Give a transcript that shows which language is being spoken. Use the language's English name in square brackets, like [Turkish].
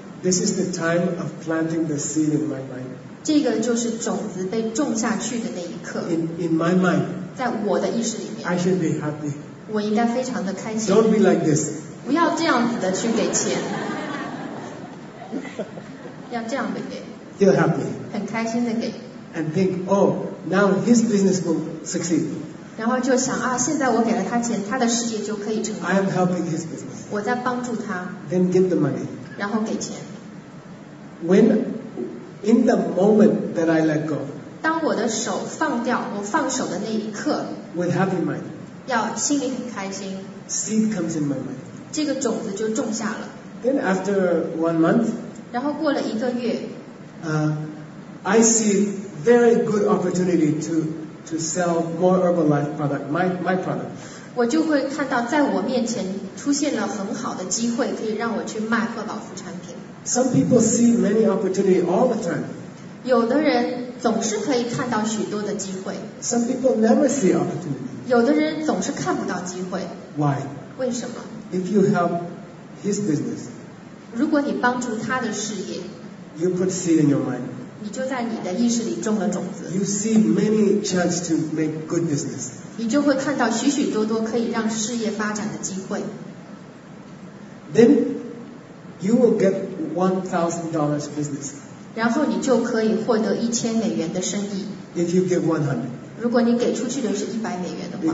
[English] This is the time of planting the seed in my mind. [Chinese] 这个就是种子被种下去的那一刻。 [English] In my mind. [Chinese] 在我的意识里面。 [English] I should be happy. [Chinese] 我应该非常的开心。 [English] Don't be like this. [Chinese] 不要这样子的去给钱。要这样的给。 [English] Feel happy. [Chinese] 很开心的给。 [English] And think, oh. now his business will succeed. [Chinese] 然后就想啊，现在我给了他钱，他的事业就可以成功。 [English] I am helping his business. [Chinese] 我在帮助他。 [English] Then give the money. [Chinese] 然后给钱。 [English] When in the moment that I let go. [Chinese] 当我的手放掉，我放手的那一刻。 [English] With happy mind. [Chinese] 要心里很开心。 [English] Seed comes in my mind. [Chinese] 这个种子就种下了。 [English] Then after 1 month. [Chinese] 然后过了一个月。 [English] I see very good opportunity to sell more Herbalife product, my product. [Chinese] 我就会看到在我面前出现了很好的机会，可以让我去卖赫宝福产品。 [English] Some people see many opportunities all the time. [Chinese] 有的人总是可以看到许多的机会。 [English] Some people never see opportunity. [Chinese] 有的人总是看不到机会。 [English] Why? [Chinese] 为什么？ [English] If you help his business, [Chinese] 如果你帮助他的事业， [English] you put seed in your mind. [Chinese] 你就在你的意识里种了种子。 [English] You see many chances to make good business. [Chinese] 你就会看到许许多多可以让事业发展的机会。 [English] Then you will get $1,000 business. [Chinese] 然后你就可以获得$1,000的生意。 [English] If you give 100. [Chinese] 如果你给出去的是$100的话。